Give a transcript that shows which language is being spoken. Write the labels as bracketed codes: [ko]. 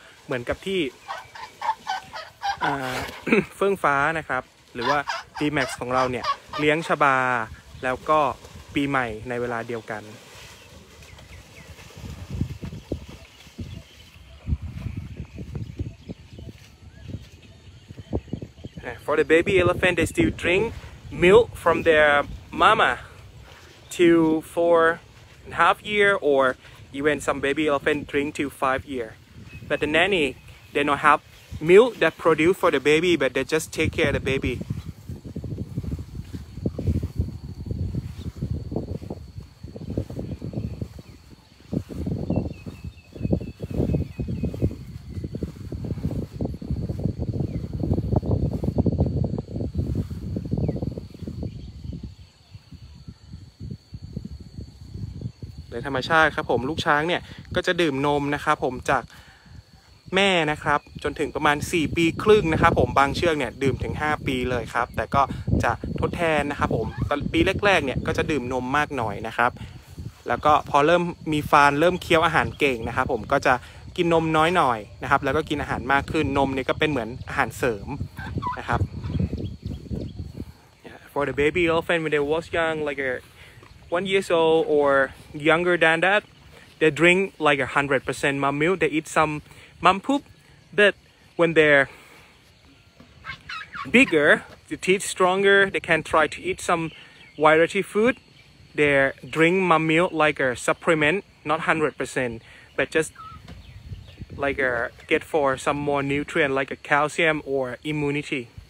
[th] เหมือนกับที่เฟื่องฟ้านะครับหรือว่า D-Max ของเราเนี่ยเลี้ยงชบาแล้วก็ปีใหม่ในเวลาเดียวกัน [en] For the baby elephant, they still drink milk from their mama till 4.5 years, or even some baby elephant drink till 5 years. But the nanny, they don't have milk that produce for the baby, but they just take care of the baby. [th] ธรรมชาติครับผมลูกช้างเนี่ยก็จะดื่มนมนะครับผมจากแม่นะครับจนถึงประมาณ4ปีครึ่งนะครับผมบางเชือกเนี่ยดื่มถึง5ปีเลยครับแต่ก็จะทดแทนนะครับผมตอนปีแรกๆเนี่ยก็จะดื่มนมมากหน่อยนะครับ แล้วก็พอเริ่มมีฟานเริ่มเคี้ยวอาหารเก่งนะครับผมก็จะกินนมน้อยหน่อยนะครับแล้วก็กินอาหารมากขึ้นนมเนี่ยก็เป็นเหมือนอาหารเสริมนะครับ [en] For the baby elephant when they was young like a 1 year old or younger than that, they drink like 100% mom milk. They eat some mom poop, but when they're bigger, the teeth stronger, they can try to eat some variety food. They drink mom milk like a supplement, not 100%, but just like a get for some more nutrient like a calcium or immunity.